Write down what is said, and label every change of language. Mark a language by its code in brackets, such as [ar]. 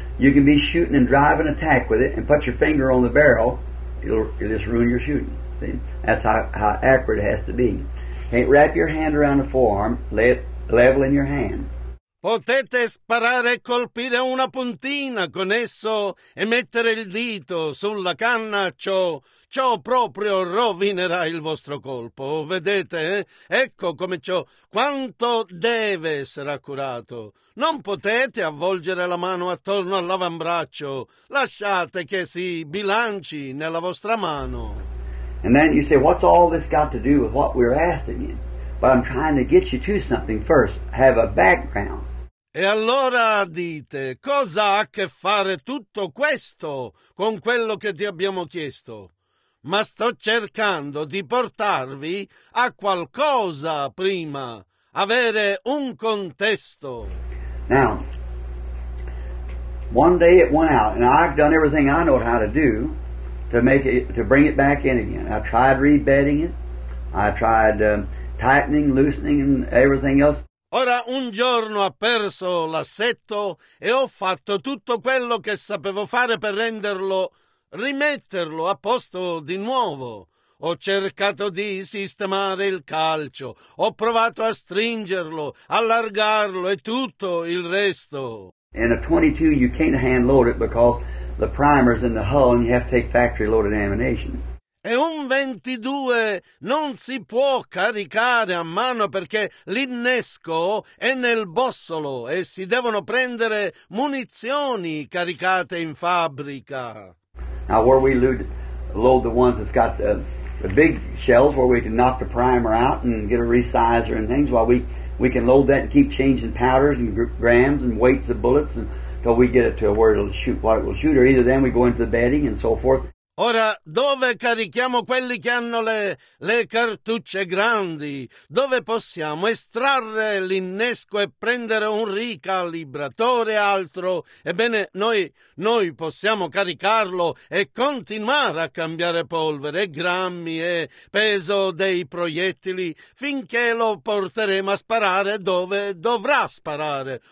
[en] You can be shooting and driving attack with it, and put your finger on the barrel, it'll just ruin your shooting. That's how accurate it has to be. Can't wrap your hand around the forearm, lay it level in your hand. [it] Potete sparare e colpire una puntina con esso e mettere il dito sulla canna, ciò proprio rovinerà il vostro colpo. Vedete? Ecco come ciò, quanto deve essere accurato. Non potete avvolgere la mano attorno all'avambraccio. Lasciate che si bilanci nella vostra mano. [en] And then you say, what's all this got to do with what we're asking you? But I'm trying to get you to something first. Have a background. [it] E allora dite, cosa ha a che fare tutto questo con quello che ti abbiamo chiesto? Ma sto cercando di portarvi a qualcosa prima, avere un contesto. [en] Now, one day it went out, and I've done everything I know how to do to make it, to bring it back in again. I tried rebedding it, I tried tightening, loosening, and everything else. [it] Ora un giorno ha perso l'assetto e ho fatto tutto quello che sapevo fare per renderlo, rimetterlo a posto di nuovo. Ho cercato di sistemare il calcio, ho provato a stringerlo, allargarlo e tutto il resto. [en] In a 22 you can't hand load it because the primer's in the hull and you have to take factory loaded ammunition. [it] E un 22 non si può caricare a mano perché l'innesco è nel bossolo e si devono prendere munizioni caricate in fabbrica. [en] Now where we load the ones that's got the big shells where we can knock the primer out and get a resizer and things, while we can load that and keep changing powders and grams and weights of bullets until we get it to where it'll shoot what it will shoot, or either then we go into the bedding and so forth. [it] Ora, dove carichiamo quelli che hanno le cartucce grandi? Dove possiamo estrarre l'innesco e prendere un ricalibratore e altro? Ebbene, noi possiamo caricarlo e continuare a cambiare polvere, grammi e peso dei proiettili finché lo porteremo a sparare dove dovrà sparare.